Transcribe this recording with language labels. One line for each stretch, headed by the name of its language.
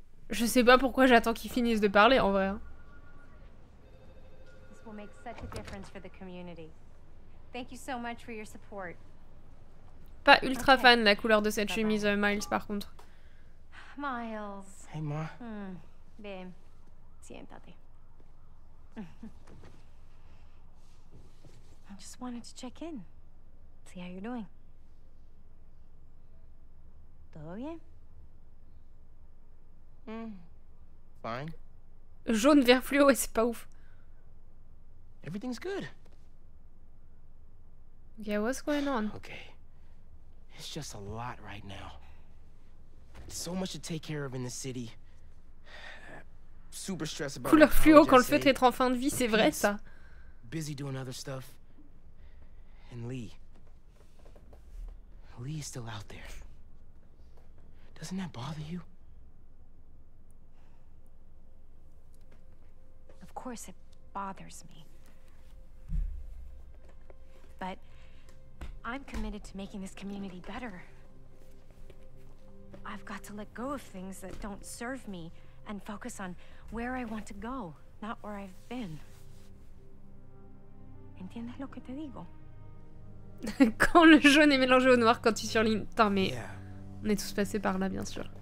French: Je sais pas pourquoi j'attends qu'il finisse de parler en vrai.
English: This will make such a difference for the community. Thank you so much for your support.
French: Pas ultra okay. Fan la couleur de cette chemise Miles par contre. Miles.
English: Hey ma.
Spanish: Bien. Siéntate.
English: I just wanted to check in. See how you're doing.
Spanish: Todo bien?
English: Fine.
French: Jaune vert fluo, ouais, c'est pas ouf.
English: Everything's good. Yeah, what's going on? Okay. It's just a lot right now. So much to take care of in the city. Super stressed about.
French: Couleur fluo quand le feu est en fin de vie, c'est vrai ça.
English: Busy doing other stuff. And Lee. Lee is still out there. Doesn't that bother you? Of course it bothers me. But I'm committed to making this community better. I've got to let go of things that don't serve me and focus on where I want to go, not where I've been.
Spanish: ¿Entiendes lo que te digo?
French: Quand le jaune est mélangé au noir, quand tu surlignes. Attends, mais. On est tous passés par là, bien sûr.